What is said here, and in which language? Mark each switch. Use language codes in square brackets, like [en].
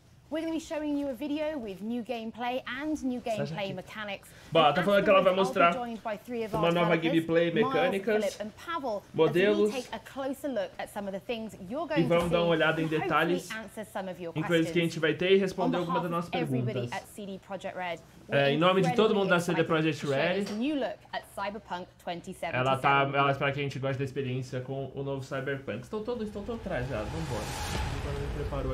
[en] We're going to be showing you a video with new gameplay and new gameplay mechanics. [pt] Bah, tá falando que ela vai mostrar uma nova gameplay, mecânicas, modelos, [en] take a closer look at some of the things you're going to see. [pt] E vamos dar uma olhada em detalhes, em coisas que a gente vai ter e responder algumas das nossas perguntas. Em nome de todo mundo da CD Projekt Red, ela espera que a gente goste da experiência com o novo Cyberpunk. Estou todo trajado, vambora.